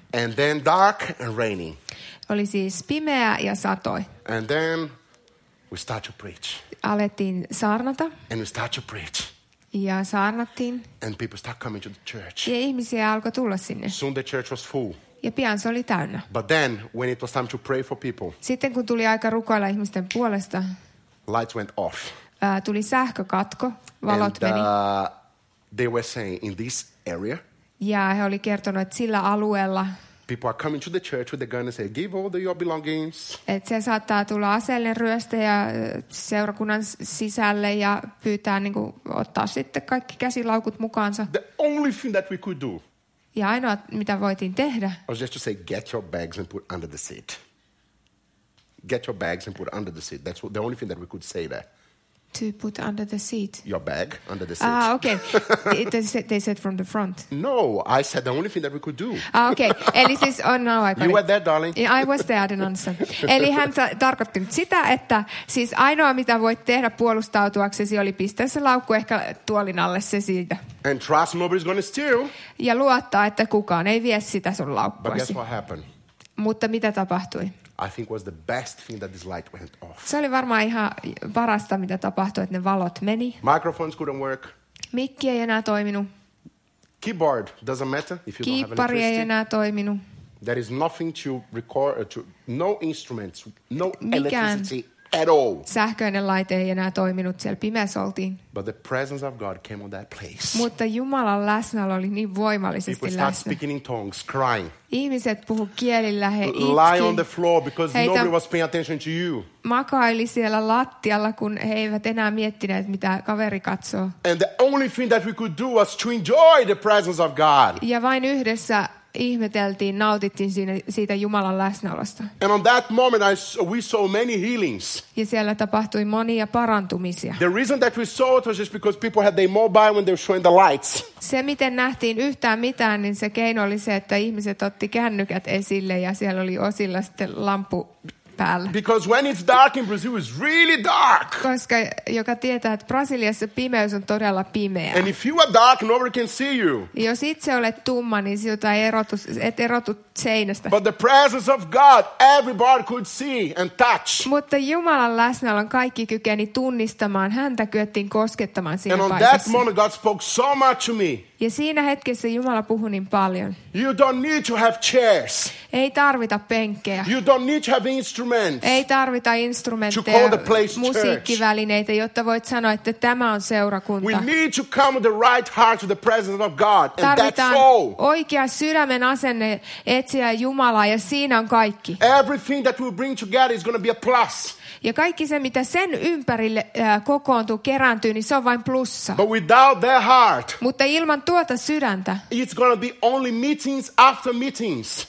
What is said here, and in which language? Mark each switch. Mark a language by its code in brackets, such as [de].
[en] And then dark and rainy. [fi] Oli siis pimeää ja satoi. [en] And then we start to preach. [fi] Alettiin saarnata. [en] And we start to preach. [fi] Ja saarnattiin. [en] And people start coming to the church. [fi] Ja ihmisiä alkoi tulla sinne. [en] Soon the church was full. [fi] Ja pian se oli täynnä. [en] But then when it was time to pray for people. [fi] Sitten kun tuli aika rukoilla ihmisten puolesta. [en] Lights went off. [fi] Tuli sähkökatko. Valot [en] and, [fi] meni. [en] They were saying in this area. [fi] Ja he oli kertonut, että sillä alueella. [en] People are coming to the church with the gun and say, "Give all your belongings." [fi] Et se saattaa tulla aseellinen ryöstäjä seurakunnan sisälle ja pyytää niinku ottaa sitten kaikki käsilaukut mukaansa. [en] The only thing that we could do. [fi] Ja ainoa mitä voitiin tehdä. [en] Was just to say, "Get your bags and put under the seat." Get your bags and put under the seat. That's the only thing that we could say there. To put under the seat. Your bag under the seat. Okay. they said from the front. No, I said the only thing that we could do. Okay. [fi] Eli siis, [en] oh no, I got you it. Were there, darling. I was there, I didn't answer. [fi] Eli hän tarkoitti sitä, että siis ainoa mitä voit tehdä puolustautuaksesi oli pistää se laukku ehkä tuolin alle se siitä. [en] And trust nobody's going to steal. [fi] Ja luottaa, että kukaan ei vie sitä sun laukkuasi. [en] But guess what happened? [fi] Mutta mitä tapahtui? [en] I think was the best thing that this light went off. [fi] Se oli varmaan ihan parasta, mitä tapahtui, että ne valot meni. [en] Microphones couldn't work. [fi] Mikki ei enää toiminut. [en] Keyboard doesn't matter if you keyboard don't have [fi] ei enää toiminut. [en] There is nothing to record, no instruments, no electricity at all. [fi] Sähköinen laite ei enää toiminut, siellä pimeässä oltiin. [en] But the presence of God came on that place. [fi] Mutta Jumalan läsnäolo oli niin voimallisesti läsnä. [en] People start speaking in tongues, crying. [fi] Ihmiset puhu kielillä, he itki. [en] Lie on the floor because [fi] heitä [en] nobody was paying attention to you. [fi] Makaili siellä lattialla, kun he eivät enää miettineet, mitä kaveri katsoo. [en] And the only thing that we could do was to enjoy the presence of God. [fi] Ja vain yhdessä ihmeteltiin, nautittiin siitä Jumalan läsnäolosta. [en] And on that moment I we saw many healings. [fi] Ja siellä tapahtui monia parantumisia. [en] The reason that we saw it was just because people had their mobile when they were showing the lights. [fi] Se miten nähtiin yhtään mitään, niin se keino oli se, että ihmiset otti kännykät esille ja siellä oli osilla sitten lampu päällä. [en] Because when it's dark in Brazil, it's really dark. [fi] Koska joka tietää, että Brasiliassa pimeys on todella pimeä. [en] And if you are dark, nobody can see you. [fi] Jos itse olet tumma, niin sinulta et erotu seinästä. [en] But the presence of God, everybody could see and touch. [fi] Mutta Jumalan läsnäolo kaikki kykeni tunnistamaan. Häntä kyettiin koskettamaan siinä paikassa. [en] And on that moment, God spoke so much to me. [fi] Ja siinä hetkessä Jumala puhui niin paljon. [en] You don't need to have chairs. [fi] Ei tarvita penkkejä. [en] You don't need to have instruments. [fi] Ei tarvita instrumentteja, [en] to call the place [fi] musiikkivälineitä, [en] church. [fi] Jotta voit sanoa, että tämä on seurakunta. [en] We need to come with the right heart to the presence of God, and [fi] tarvitaan [en] that's all. [fi] Oikea sydämen asenne etsiä Jumalaa, ja siinä on kaikki. [en] Everything that we bring together is going to be a plus. [fi] Ja kaikki se, mitä sen ympärille kokoontuu, kerääntyy, niin se on vain plussa. [en] But without their heart, [fi] mutta ilman tuota sydäntä, [en] it's gonna be only meetings after meetings.